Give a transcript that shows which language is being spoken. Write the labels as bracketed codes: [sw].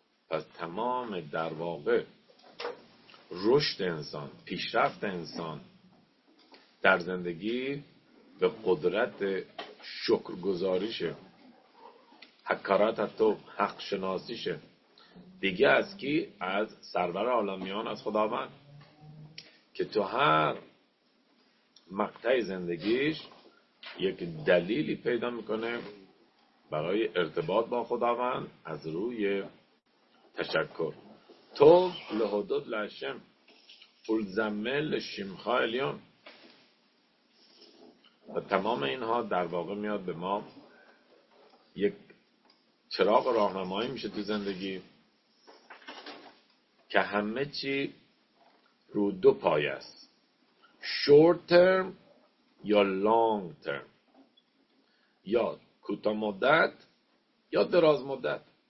[fa] پس تمام در واقع رشد انسان، پیشرفت انسان در زندگی به قدرت شکرگزاریشه، حکارات تو حق شناسیشه، دیگه از کی؟ از سرور عالمیان، از خداوند، که تو هر مقطع زندگیش یک دلیلی پیدا میکنه برای ارتباط با خداوند از روی تشکر. [he] טוב להודות להשם ולזמל לשמך עליון. [fa] ותמום אינה דר واقع میاد به ما یک چراغ راهنمایی میشه تو زندگی که همه چی رو دو پای است، [en] short term [fa] یا [en] long term، [fa] یا کوتاه مدت یا دراز مدت.